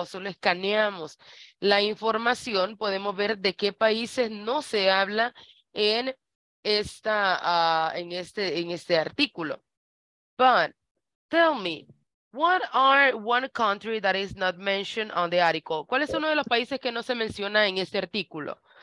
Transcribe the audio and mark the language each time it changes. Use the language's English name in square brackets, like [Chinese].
[Spanish] O solo escaneamos la información, podemos ver de qué países no se habla en esta, en este artículo. [English] But tell me, what are one country that is not mentioned on the article? [Spanish] ¿Cuál es uno de los países que no se menciona en este artículo?